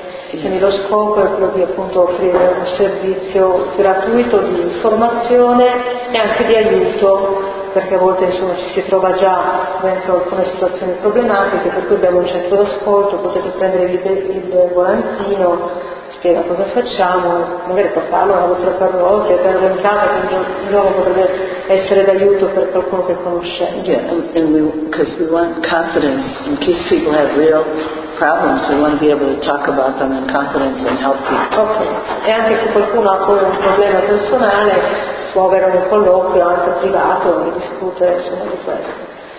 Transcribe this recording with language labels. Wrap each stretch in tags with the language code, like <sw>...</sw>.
<it>Quindi lo scopo è proprio appunto offrire un servizio gratuito di informazione e anche di aiuto, perché a volte insomma ci si trova già dentro alcune situazioni problematiche, per cui abbiamo un centro d'ascolto, potete prendere il volantino, spiega cosa facciamo, magari portarlo alla vostra parrocchia, per orientare, quindi il luogo potrebbe essere d'aiuto per qualcuno che conosce.</it> <en>Yeah, and we want confidence in case people have real problems, we want to be able to talk about them in confidence and help people.</en> <it>Ok, e anche se qualcuno ha poi un problema personale, può avere un colloquio anche privato e discutere insomma di questo.</it>